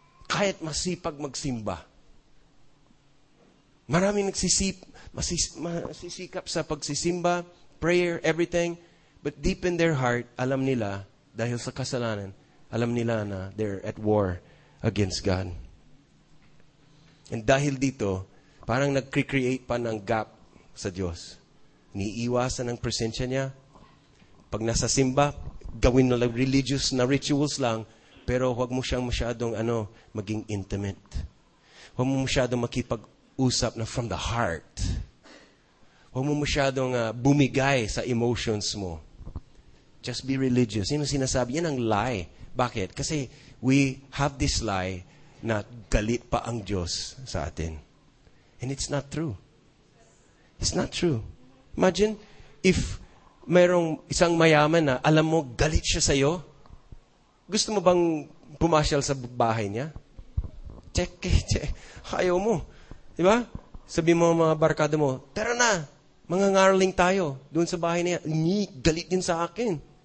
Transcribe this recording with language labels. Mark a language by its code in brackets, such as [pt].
[tl] Kahit masipag magsimba. Marami masisikap sa pagsisimba, prayer, everything. But deep in their heart, alam nila, dahil sa kasalanan, alam nila na [en] they're at war against God. [tl] And dahil dito, parang nag-create pa ng gap sa Diyos. Niiwasan ang presensya niya. Pag nasa simba, gawin na lang religious na rituals lang, pero huwag mo siyang masyadong ano, maging intimate. Huwag mo masyadong makipag-usap na [en] from the heart. [tl] Huwag mo masyadong bumigay sa emotions mo. [en] Just be religious. [tl] Yan ang sinasabi. Yan ang lie. Bakit? Kasi [en] we have this lie [tl] na galit pa ang Diyos sa atin. [en] And it's not true. It's not true. Imagine if [tl] mayroong isang mayaman na alam mo galit siya sa iyo? Gusto mo bang pumasyal sa bahay niya? Check. Ayaw mo. Di ba? Sabi mo mga barkada mo, tara na, mga ngarling tayo doon sa bahay niya. Galit din sa akin.